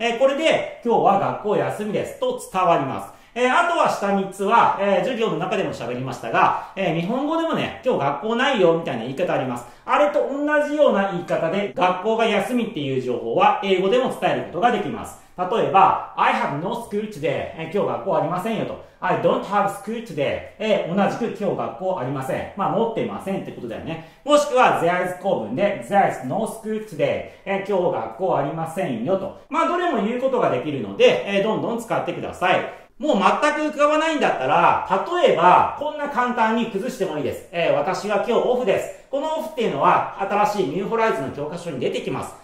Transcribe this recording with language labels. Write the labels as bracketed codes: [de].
[ja] これで今日は学校休みですと伝わります。あとは下3つは、授業の中でも喋りましたが、日本語でもね、今日学校ないよみたいな言い方あります。あれと同じような言い方で学校が休みっていう情報は英語でも伝えることができます。 [en] 例えば、I have no school today. [ja] 今日学校ありませんよと。 [en] I don't have school today. [ja] 同じく今日学校ありません。まあ持ってませんってことだよね。 [en] もしくは、there is 構文で、there is no school today. [ja] 今日学校ありませんよと。まあどれも言うことができるので、どんどん使ってください。もう全く浮かばないんだったら、例えば、こんな簡単に崩してもいいです。私は今日オフです。このオフっていうのは、新しいニューホライズの教科書に出てきます。